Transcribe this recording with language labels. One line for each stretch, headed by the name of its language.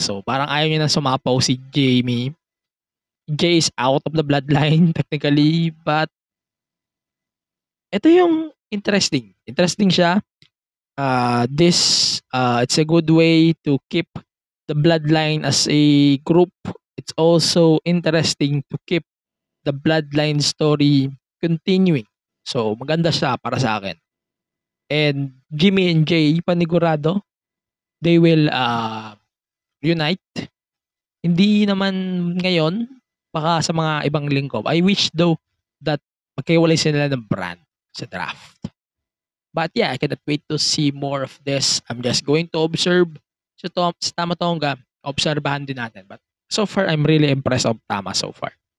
Filipino: So parang ayaw niya na sumapaw si Jamie.
English: Jay is out of the bloodline technically,
Filipino: but ito yung interesting. Interesting siya.
English: it's a good way to keep the bloodline as a group. It's also interesting to keep the bloodline story continuing.
Filipino: So, maganda siya para sa akin. And Jimmy and Jay, panigurado,
English: they will reunite.
Filipino: Hindi naman ngayon, baka sa mga ibang linggo.
English: I wish though that
Filipino: magkiwalay sila ng brand sa draft.
English: But yeah, I cannot wait to see more of this. I'm just going to observe. Sa Tama Tonga,
Filipino: obserbahan din natin.
English: But so far, I'm really impressed of Tama so far.